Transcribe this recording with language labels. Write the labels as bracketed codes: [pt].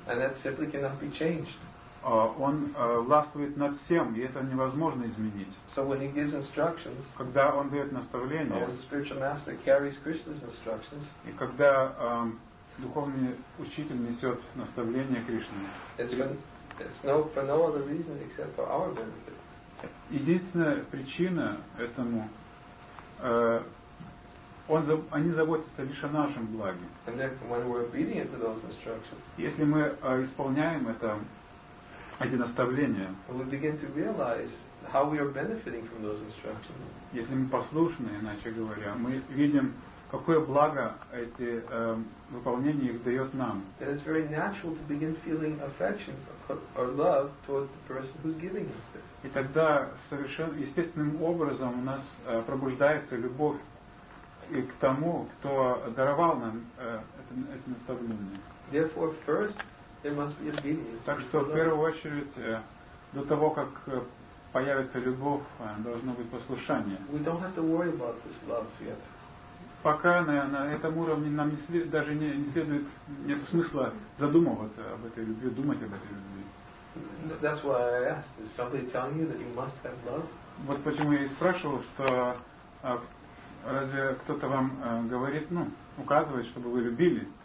[en] And that simply cannot be changed. [ru] Он властвует над всем, и это невозможно изменить. [en] So when he gives instructions, [ru] когда он дает наставления, [en] when the spiritual master carries Krishna's instructions, [ru] и когда духовный учитель несет наставления Кришне, [en] for no other reason except for our benefit. [ru] Единственная причина этому, они заботятся лишь о нашем благе. [en] And then when we're obedient to those instructions, [ru] если мы исполняем это, эти наставления. [en] We begin to realize how we are benefiting from those instructions. [ru] Если мы послушны, иначе говоря, мы видим, какое благо эти выполнение их дает нам. [en] Then it's very natural to begin feeling affection or love towards the person who's giving us it. [ru] И тогда совершенно естественным образом у нас пробуждается любовь и к тому, кто даровал нам эти наставления. [en] Therefore, first there must be obedience. [ru] Так что в первую очередь, до того, как появится любовь, должно быть послушание. [en] We don't have to worry about this love yet. [ru] Пока на этом уровне нам не следует, нет смысла задумываться об этой любви, думать об этой любви. [en] That's why I asked. Is somebody telling you that you must have love? [ru] Вот почему я и спрашивал, что разве кто-то вам говорит, ну, указывает, чтобы вы любили?